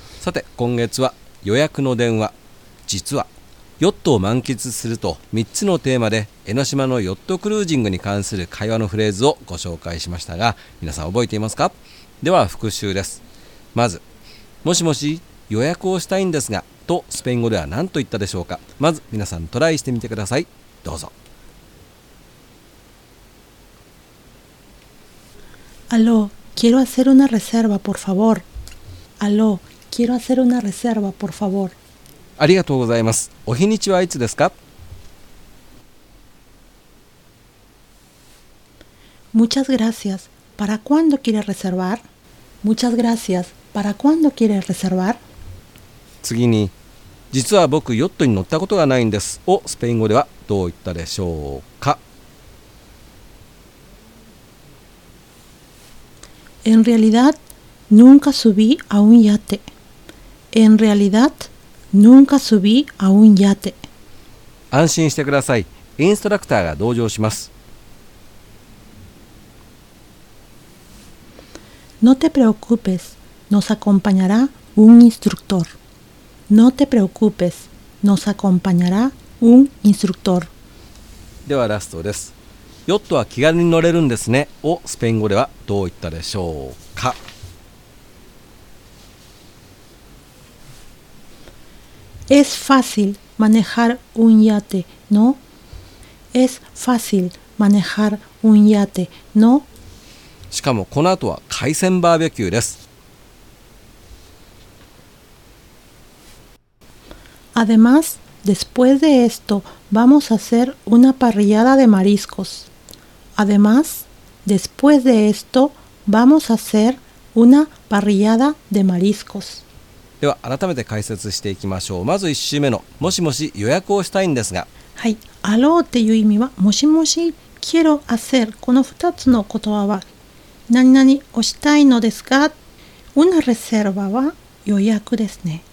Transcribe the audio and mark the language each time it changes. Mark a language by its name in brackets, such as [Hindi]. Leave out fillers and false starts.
[Japanese] さて今月は予約の電話、実はヨットを満喫すると3つのテーマで江ノ島のヨットクルージングに関する会話のフレーズをご紹介しましたが、皆さん覚えていますか？では復習です。まず、もしもし予約をしたいんですがとスペイン語では何と言ったでしょうか？まず皆さんトライしてみてください。どうぞ。 [Spanish] Aló, quiero hacer una reserva, por favor. Aló, quiero hacer una reserva, por favor. [Japanese] ありがとうございます。お日にちはいつですか？ [Spanish] Muchas gracias. ¿Para cuándo quiere reservar? Muchas gracias. ¿Para cuándo quiere reservar? [Japanese] 次に、実は僕ヨットに乗ったことがないんですをスペイン語ではどう言ったでしょうか？ [Spanish] En realidad, nunca subí a un yate. En realidad, nunca subí a un yate. [Japanese] 安心してください。インストラクターが同乗します。 [Spanish] No te preocupes, nos acompañará un instructor. No te preocupes, nos acompañará un instructor. [Japanese] ではラストです。ヨットは気軽に乗れるんですねをスペイン語ではどう言ったでしょうか？ [Spanish] Es fácil manejar un yate, ¿no? Es fácil manejar un yate, ¿no? [Japanese] しかもこの後は海鮮バーベキューです。 [Spanish] Además, después de esto, vamos a hacer una parrillada de mariscos. Además, después de esto, vamos a hacer una parrillada de mariscos. [Japanese] では、改めて解説していきましょう。まず1週目の、もしもし予約をしたいんですが。はい、あろうっていう意味は、もしもし、 [Spanish] quiero hacer、 [Japanese] この2つの言葉は、何々をしたいのですが、 [Spanish] una reserva [Japanese] は予約ですね。